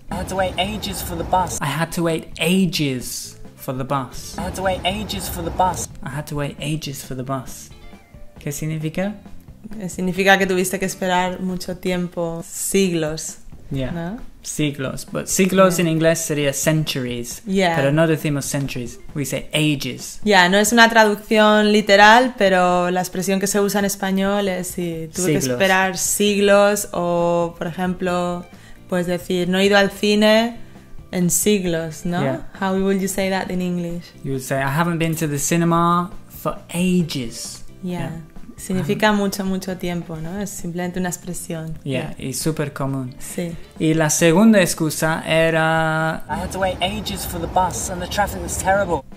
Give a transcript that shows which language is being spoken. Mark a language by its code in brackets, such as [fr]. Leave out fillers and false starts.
[en] I had to wait ages for the bus. [es] ¿Qué significa? Significa que tuviste que esperar mucho tiempo, siglos. [en] Yeah. [es] ¿No? Siglos, but siglos en inglés sería centuries. [en] Yeah. [es] Pero no decimos centuries, [en] we say ages. [es] Yeah, no es una traducción literal, pero la expresión que se usa en español es si tuve siglos. Que esperar siglos, o por ejemplo, puedes decir no he ido al cine en siglos, ¿no? [en] Yeah. How would you say that in English? You would say I haven't been to the cinema for ages. [es] Yeah. Significa mucho tiempo, ¿no? Es simplemente una expresión. Yeah, y súper común. Sí. Y la segunda excusa era... [en] I had to wait ages for the bus and the traffic was terrible.